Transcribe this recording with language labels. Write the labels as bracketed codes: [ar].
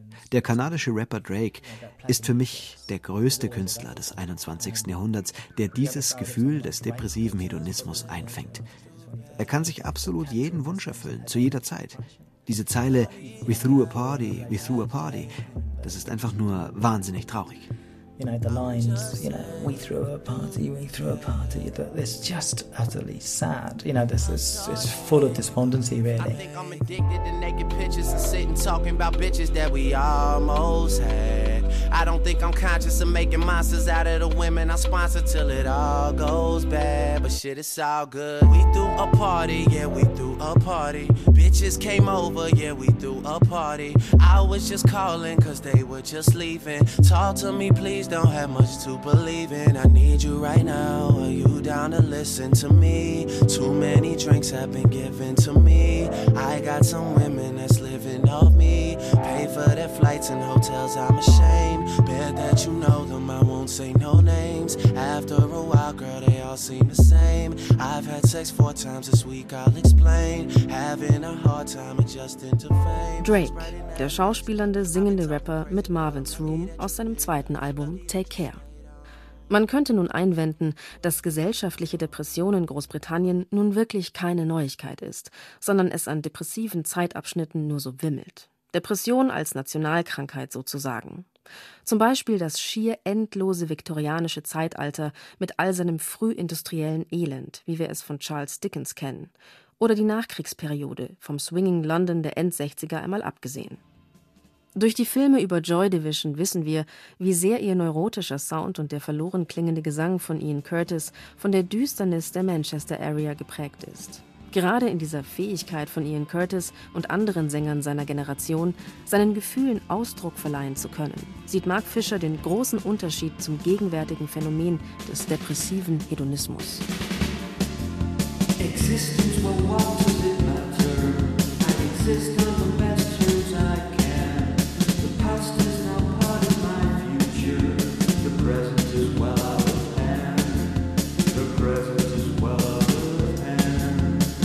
[de] Der kanadische Rapper Drake ist für mich der größte Künstler des 21. Jahrhunderts, der dieses Gefühl des depressiven Hedonismus einfängt. Er kann sich absolut jeden Wunsch erfüllen, zu jeder Zeit. Diese Zeile, [en] we threw a party, [de] we threw a party, das ist einfach nur wahnsinnig traurig. [en] You know, the lines, you know, we threw a party, we threw a party, it's just utterly sad. You know, this is it's full of despondency, really. I think I'm addicted to naked pictures and sitting talking about bitches that we almost had. I don't think I'm conscious of making monsters out of the women I sponsor till it all goes bad, but shit, it's all good. We threw a party, yeah, we threw a party. Bitches came over, yeah, we threw a party. I was just calling cause they were just leaving. Talk to me, please. Don't have much to believe in. I need you right now. Are you down to listen to me? Too many drinks have been given to me. I got some women that's living off me. Pay for their flights and hotels, I'm ashamed. Bet that you know them, I won't say no names. After a while, girl, they all seem the same. I've had sex 4 times this week, I'll explain. Having a hard time adjusting to fame. [de] Drake, der schauspielernde, singende Rapper mit Marvin's Room aus seinem zweiten Album Take Care. Man könnte nun einwenden, dass gesellschaftliche Depression in Großbritannien nun wirklich keine Neuigkeit ist, sondern es an depressiven Zeitabschnitten nur so wimmelt. Depression als Nationalkrankheit sozusagen. Zum Beispiel das schier endlose viktorianische Zeitalter mit all seinem frühindustriellen Elend, wie wir es von Charles Dickens kennen. Oder die Nachkriegsperiode, vom Swinging London der End-60er einmal abgesehen. Durch die Filme über Joy Division wissen wir, wie sehr ihr neurotischer Sound und der verloren klingende Gesang von Ian Curtis von der Düsternis der Manchester Area geprägt ist. Gerade in dieser Fähigkeit von Ian Curtis und anderen Sängern seiner Generation, seinen Gefühlen Ausdruck verleihen zu können, sieht Mark Fisher den großen Unterschied zum gegenwärtigen Phänomen des depressiven Hedonismus. [en] Existence, well, what does it matter? I exist on the best terms I can. The past is now part of my future. The present is well out of hand. The present is well out of hand.